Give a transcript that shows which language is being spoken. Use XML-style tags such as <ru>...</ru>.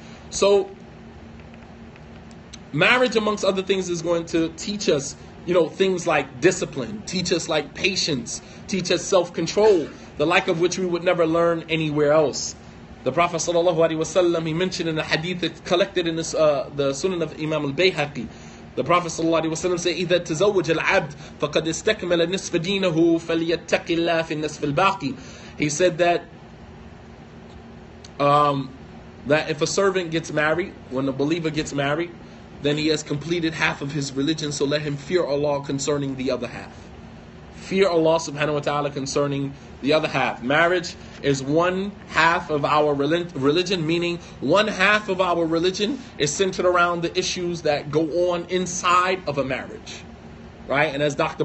<en>So marriage, amongst other things, is going to teach us, you know, things like discipline, teach us like patience, teach us self-control, the like of which we would never learn anywhere else. The Prophet sallallahu alaihi wasallam, he mentioned in the hadith that collected in this, the Sunan of Imam al-Bayhaqi. The Prophet sallallahu alaihi wasallam said,</en> <ar>إِذَا تَزَوَّجَ الْعَبْدِ فَقَدْ إِسْتَكْمَلَ نِصْفَ دِينَهُ فَلْيَتَّقِ اللَّهَ فِي النِّصْفِ الْبَاقِي.</ar> <en>He said that, that if a servant gets married, when a believer gets married, then he has completed half of his religion, so let him fear Allah concerning the other half. Fear Allah subhanahu wa ta'ala concerning the other half. Marriage is one half of our religion, meaning one half of our religion is centered around the issues that go on inside of a marriage. Right? And as Dr.</en>